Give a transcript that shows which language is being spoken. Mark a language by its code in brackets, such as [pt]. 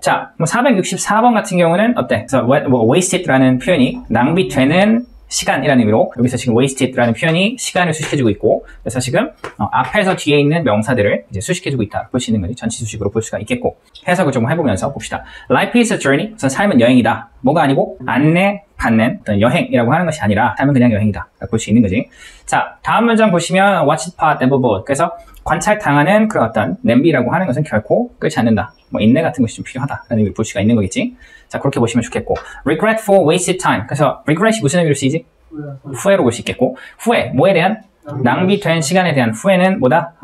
[ko] 자, 뭐 464번 같은 경우는 어때? 그래서 wasted라는 표현이 낭비되는 시간이라는 의미로, 여기서 지금 wasted라는 표현이 시간을 수식해주고 있고, 그래서 지금 앞에서 뒤에 있는 명사들을 이제 수식해주고 있다 볼 수 있는 거지. 전치 수식으로 볼 수가 있겠고, 해석을 좀 해보면서 봅시다. [en] Life is a journey. [ko] 우선 삶은 여행이다. 뭐가 아니고 안내받는 어떤 여행이라고 하는 것이 아니라 삶은 그냥 여행이다 라고 볼 수 있는 거지. 자, 다음 문장 보시면 [en] watch it pot never boil. [ko] 그래서 관찰당하는 그런 어떤 냄비라고 하는 것은 결코 끌지 않는다. 뭐 인내 같은 것이 좀 필요하다라는 의미를 볼 수가 있는 거겠지. 자, 그렇게 보시면 좋겠고, [en] regret for wasted time. [ko] 그래서 regret이 무슨 의미로 쓰이지? 후회로 볼 수 있겠고, 후회, 뭐에 대한? 낭비된 시간에 대한 후회는 뭐다?